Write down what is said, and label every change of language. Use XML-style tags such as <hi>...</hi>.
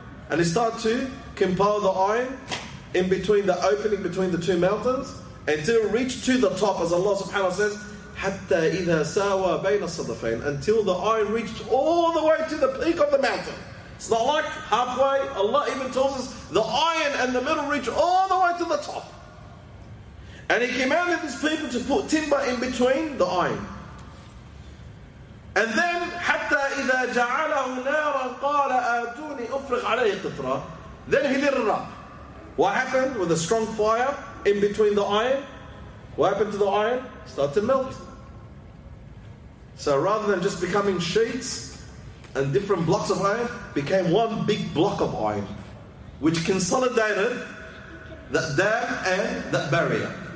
<en>And he started to compile the iron in between the opening between the two mountains until it reached to the top, as Allah subhanahu wa ta'ala says,</en> <ar>Hatta idha sawa bayna sadafain,</ar> <en>until the iron reached all the way to the peak of the mountain. It's not like halfway. Allah even tells us the iron and the metal reach all the way to the top. And he commanded his people to put timber in between the iron. And then,</en> <ar>حَتَّى إِذَا جَعَلَهُ نَارًا قَالَ آتُونِي أُفْرِغْ عَلَيْهِ قِطْرًا.</ar> <en>Then he lit it up. What happened with a strong fire in between the iron? What happened to the iron? Started to melt. So rather than just becoming sheets and different blocks of iron, became one big block of iron, which consolidated that dam and that barrier.</en>